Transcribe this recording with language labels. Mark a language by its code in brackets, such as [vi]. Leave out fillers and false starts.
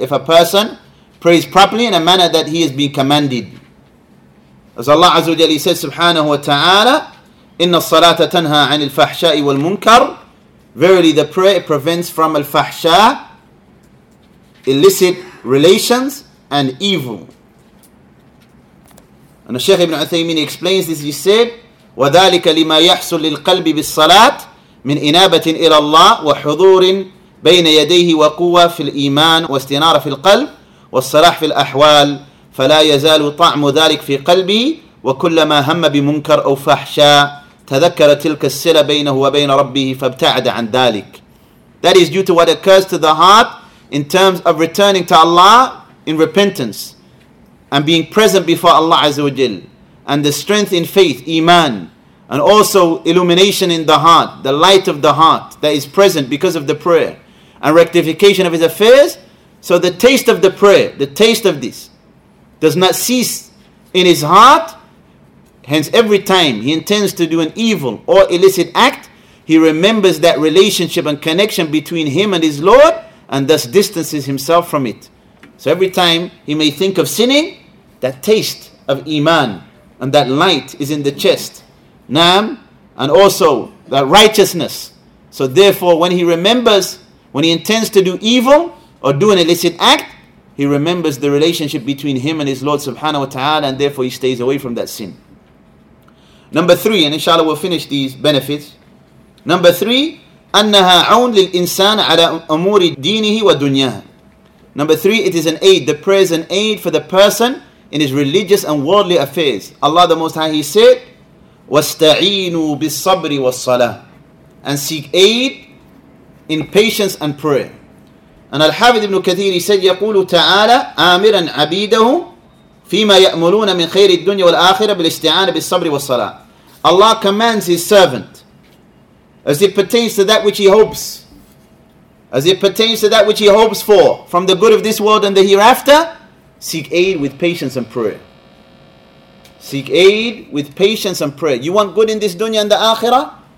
[en] If a person prays properly in a manner that he has been commanded. As Allah Azza wa Jalla says, subhanahu wa ta'ala, [ar] إِنَّ الصَّلَاةَ تَنْهَى عَنِ الْفَحْشَاءِ وَالْمُنْكَرِ. [en] Verily the prayer, it prevents from al-fahsha, illicit relations and evil. And the Shaykh Ibn Uthaymeen explains this, he said, [ar] وَذَلِكَ لِمَا يَحْسُلْ لِلْقَلْبِ بِالصَّلَاةِ مِنْ إِنَابَةٍ إِلَى اللَّهِ وَحُضُورٍ بَيْنَ يَدَيْهِ وَقُوَّةٍ فِي الْإِيمَانِ وَاسْتِنَارَ فِي الْقَلْبِ وَالصَّلَاحِ فِي الْأَحْوَالِ فَلَا يَزَالُ طَعْمُ ذَلِكَ فِي قَلْبِي وَكُلَّمَا هَمَّ بِمُنْكَرٍ أَوْ فَحْشَاءٍ تَذَكَّرَ تِلْكَ السِّلَةَ بَيْنَهُ وَبَيْنَ رَبِّهِ فَابْتَعَدَ عَنْ ذَلِكَ. [en] That is due to what occurs to the heart in terms of returning to Allah in repentance and being present before Allah Azza wa Jal, and the strength in faith, Iman, and also illumination in the heart, the light of the heart that is present because of the prayer, and rectification of his affairs. So the taste of the prayer, the taste of this, does not cease in his heart. Hence every time he intends to do an evil or illicit act, he remembers that relationship and connection between him and his Lord, and thus distances himself from it. So every time he may think of sinning, that taste of Iman and that light is in the chest. Naam, and also that righteousness. So therefore when he remembers, when he intends to do evil or do an illicit act, he remembers the relationship between him and his Lord subhanahu wa ta'ala, and therefore he stays away from that sin. Number three, and inshallah we'll finish these benefits. Number three, [ar] أَنَّهَا عَوْنٌ لِلْإِنسَانَ عَلَى أُمُورِ دِينِهِ وَدُنْيَاهِ. [en] Number three, it is an aid. The prayer is an aid for the person in his religious and worldly affairs. Allah the Most High, he said, [ar] وَاسْتَعِينُوا بِالصَّبْرِ وَالصَّلَاةِ. [en] And seek aid in patience and prayer. And Al-Hafidh ibn Kathir, he said, [ar] يَقُولُ تَعَالَى آمِرًا عَبِيدَهُ فِيمَا يَأْمُرُونَ مِنْ خَيْرِ الدُّنْيَا وَالْآخِرَةِ بِالْإِسْتِعَانَةِ بِالصَّبْرِ وَالصَّلَاةِ. [en] Allah commands his servant as it pertains to that which he hopes, as it pertains to that which he hopes for from the good of this world and the hereafter, seek aid with patience and prayer. Seek aid with patience and prayer. You want good in this dunya and the akhirah?